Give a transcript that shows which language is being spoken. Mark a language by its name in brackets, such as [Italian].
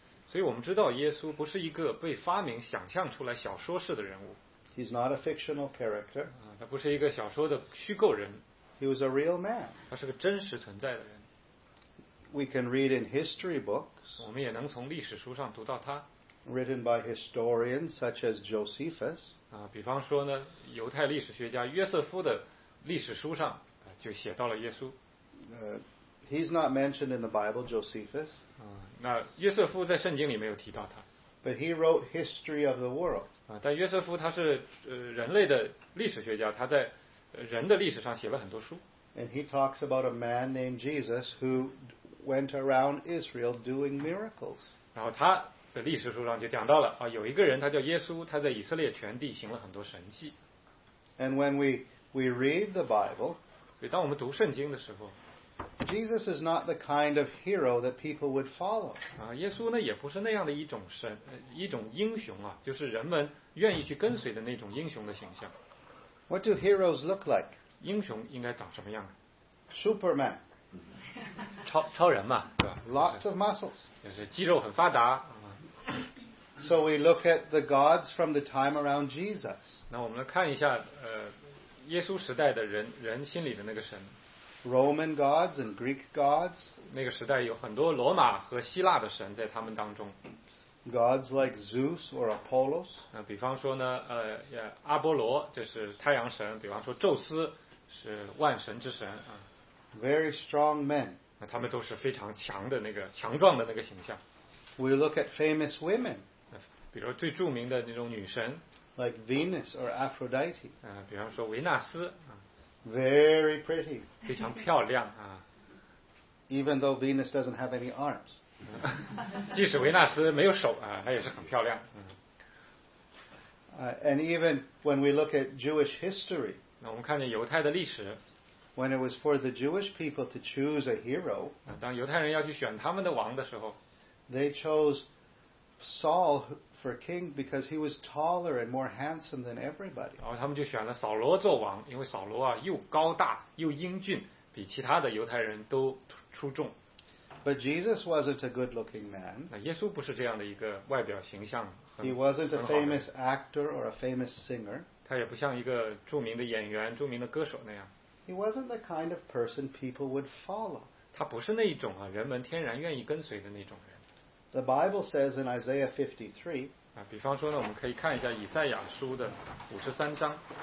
[Chinese] 所以我们知道耶稣不是一个被发明想象出来小说式的人物。 [English] He's not a fictional character. [Chinese] 他不是一个小说的虚构人。 [English] He was a real man. [Chinese] 他是个真实存在的人。 [English] We can read in history books. [Chinese] 我们也能从历史书上读到他。 [English] Written by historians such as Josephus. [Chinese] 比方说呢，犹太历史学家约瑟夫的历史书上就写到了耶稣。 [English] He's not mentioned in the Bible, Josephus. [Chinese] 那约瑟夫在圣经里没有提到他。 [English] But he wrote history of the world. [Chinese] 但约瑟夫他是人类的历史学家，他在人的历史上写了很多书。 [English] And he talks about a man named Jesus who went around Israel doing miracles. [Chinese] 然后他的历史书上就讲到了有一个人他叫耶稣，他在以色列全地行了很多神迹。 [English] And when we read the Bible. [Chinese] 所以当我们读圣经的时候。 [English] Jesus is not the kind of hero that people would follow. [Chinese] 耶稣呢也不是那样的一种英雄啊，就是人们愿意去跟随的那种英雄的形象。 [English] What do heroes look like? [Chinese] 英雄应该长什么样啊？ [English] Superman. [Chinese] 超人嘛，对吧？ [English] Lots of muscles. [Chinese] 就是肌肉很发达。 [English] So we look at the gods from the time around Jesus. [Chinese] 那我们来看一下耶稣时代的人心里的那个神。 [English] Roman gods and Greek gods. [Chinese] 那个时代有很多罗马和希腊的神在他们当中。 [English] Gods like Zeus or Apollos. [Chinese] 比方说呢，阿波罗就是太阳神，比方说宙斯是万神之神。 [English] Very strong men. [Chinese] 那他们都是非常强的那个强壮的那个形象。 [English] We look at famous women. [Chinese] 比如最著名的那种女神。 [English] Like Venus or Aphrodite. [Chinese] 比方说维纳斯。 [English] Very pretty. [Chinese] 非常漂亮啊。 [English] Even though Venus doesn't have any arms. [Chinese] 即使维纳斯没有手啊，她也是很漂亮。 [English] And even when we look at Jewish history. [Chinese] 那我们看见犹太的历史。 [English] When it was for the Jewish people to choose a hero. [Chinese] 当犹太人要去选他们的王的时候。 [English] They chose Saul for king because he was taller and more handsome than everybody. [Chinese] 然后他们就选了扫罗做王，因为扫罗啊又高大又英俊，比其他的犹太人都出众。 [English] But Jesus wasn't a good-looking man. [Chinese] 那耶稣不是这样的一个外表形象。 [English] He wasn't a famous actor or a famous singer. [Chinese] 他也不像一个著名的演员、著名的歌手那样。 [English] He wasn't the kind of person people would follow. [Chinese] 他不是那一种啊，人们天然愿意跟随的那种人。 [English] The Bible says in Isaiah 53. [Chinese] 比方说呢，我们可以看一下以赛亚书的五十三章。